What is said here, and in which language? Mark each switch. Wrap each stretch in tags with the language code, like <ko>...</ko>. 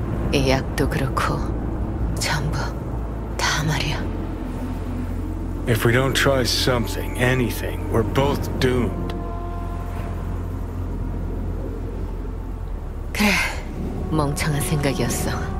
<ko>이 약도 그렇고 전부 다 말이야.</ko> <en>If we don't try something, anything, we're both doomed.</en> <ko>그래, 멍청한 생각이었어.</ko>